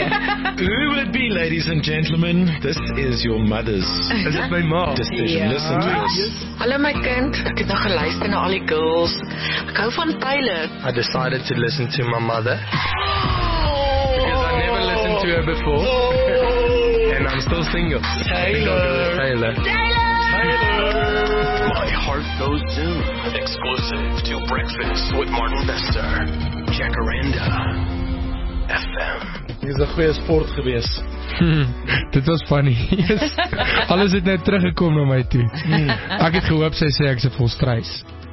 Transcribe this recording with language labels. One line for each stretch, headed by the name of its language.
English: Who would be, ladies and gentlemen? This is your mother's. Is it my mom? Decision. Yeah. Listen to us.
Afrikaans: Hallo my kind. Ek het nog geluister na al die girls. Ek hou van Taylor.
English: I decided to listen to my mother. Because I never listened to her before. And I'm still single. Taylor. My Heart Goes Zoom. Exclusive to Breakfast with Martin Besser. Jacaranda FM.
Afrikaans: Dit is 'n goeie sport gewees. Dit was funny. Yes. Alles het net teruggekom na my toe. Ek het gehoop sy sê ek's 'n volstruis.